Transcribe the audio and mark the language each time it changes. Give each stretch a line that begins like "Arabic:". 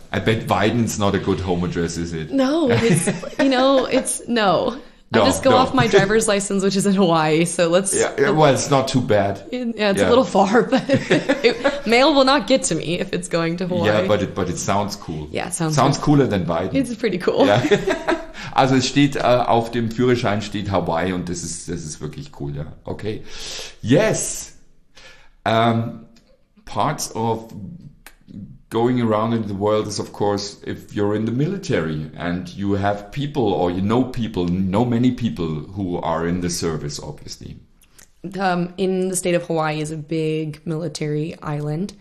English: I bet Biden's not a good home address, is it? No. It's, you know, it's no. No, I just go, no, off my driver's license, which is in Hawaii. So let's. Yeah, well, it's not too bad. Yeah, it's, yeah, a little far, but mail will not get to me if it's going to Hawaii. Yeah, but it sounds cool. Yeah, sounds. Sounds cool. Cooler than Biden. It's pretty cool. Yeah.
German: Also es steht auf dem Führerschein steht Hawaii und das ist wirklich cool. Ja, okay.
English: Yes. Parts of going around in the world is, of course, if you're in the military and you have people or you know people, know many people who are in the service, obviously. In the state of Hawaii is a big military island.